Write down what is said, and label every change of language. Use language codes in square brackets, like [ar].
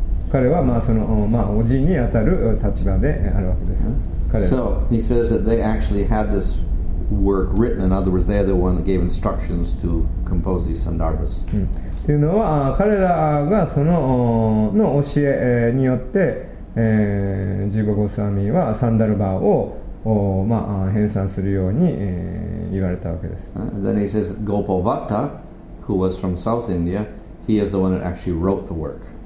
[ja] 彼はまあその、まあ、おじにあたる立場であるわけです。 [en] So he says that they actually had this work written, in other words, they are the one that gave instructions to compose these sandarbhas. [ja] というのは彼らがその、の教えによって十五ゴスワミはサンダルバを、まあ、編纂するように、言われたわけです。 [en] Then he says Gopal Bhatta, who was from South India, he is the one that actually wrote the work.